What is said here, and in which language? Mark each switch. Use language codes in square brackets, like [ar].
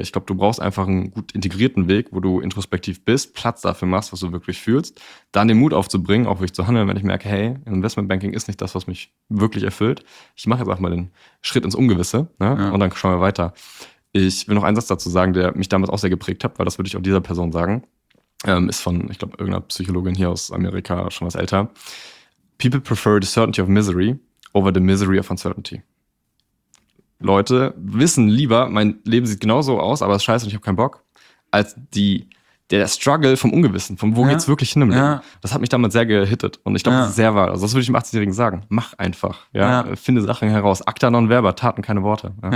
[de] Ich glaube, du brauchst einfach einen gut integrierten Weg, wo du introspektiv bist, Platz dafür machst, was du wirklich fühlst, dann den Mut aufzubringen, auch wirklich zu handeln, wenn ich merke, hey, Investmentbanking ist nicht das, was mich wirklich erfüllt. Ich mache jetzt auch mal den Schritt ins Ungewisse, ne? Ja. Und dann schauen wir weiter. Ich will noch einen Satz dazu sagen, der mich damals auch sehr geprägt hat, weil das würde ich auch dieser Person sagen. Ist von, ich glaube, irgendeiner Psychologin hier aus Amerika, schon was älter. [en] People prefer the certainty of misery over the misery of uncertainty. [de] Leute wissen lieber, mein Leben sieht genauso aus, aber es ist scheiße und ich habe keinen Bock, als der Struggle vom Ungewissen, vom wo geht's wirklich hin im Leben. Das hat mich damals sehr gehittet und ich glaube, das ist sehr wahr. Also das würde ich dem 18-Jährigen sagen. Mach einfach. Ja? Finde Sachen heraus. [la] Acta non verba, [de] Taten keine Worte.